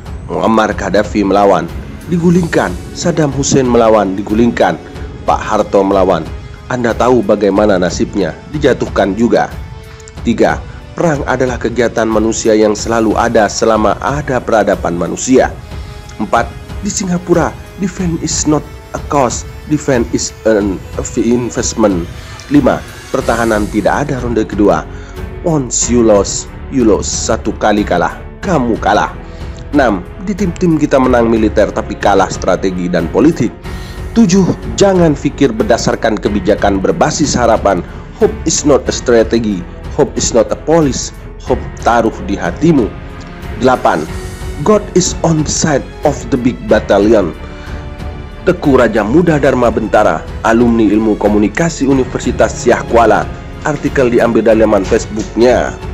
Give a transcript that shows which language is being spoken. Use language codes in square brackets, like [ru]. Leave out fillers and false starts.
[id] Muammar Gaddafi melawan, digulingkan. Saddam Hussein melawan, digulingkan. Pak Harto melawan, Anda tahu bagaimana nasibnya, dijatuhkan juga. 3. perang adalah kegiatan manusia yang selalu ada selama ada peradaban manusia. 4. [en] Di Singapura, defense is not a cost, defense is an investment. [id] 5. Pertahanan tidak ada ronde kedua. [en] Once you lose, [id] satu kali kalah, kamu kalah. 6. Di tim-tim kita menang militer tapi kalah strategi dan politik. 7. Jangan pikir berdasarkan kebijakan berbasis harapan. [en] Hope is not a strategy, hope is not a policy, hope [id] taruh di hatimu. [en] 8. God is on the side of the big battalion. [id] Teku Raja Muda Dharma Bentara, alumni ilmu komunikasi Universitas Syah Kuala. Artikel diambil dari laman Facebooknya.